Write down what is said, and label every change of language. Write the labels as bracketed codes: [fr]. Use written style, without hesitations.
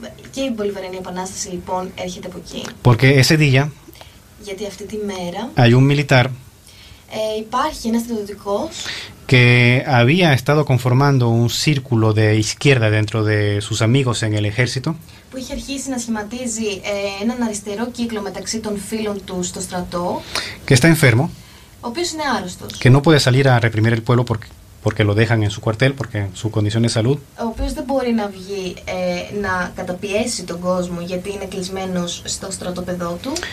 [el] Και η Βολιβαριανή Επανάσταση λοιπόν έρχεται από εκεί. [es] Porque ese día, [el] γιατί αυτή τη μέρα, [es] hay un militar, [el] υπάρχει ένας στρατιωτικός, [es] que había estado conformando un círculo de izquierda dentro de sus amigos en el ejército. [el] Που είχε αρχίσει να σχηματίζει έναν αριστερό κύκλο μεταξύ των φίλων του στο στρατό. [es] Que está enfermo. [el] Ο οποίος είναι άρρωστος. [es] Que no puede salir a reprimir el pueblo porque lo dejan en su cuartel porque su condición de salud. [el] Ο οποίος δεν μπορεί να βγει να καταπιέσει τον κόσμο γιατί είναι κλεισμένος στο στρατόπεδό του.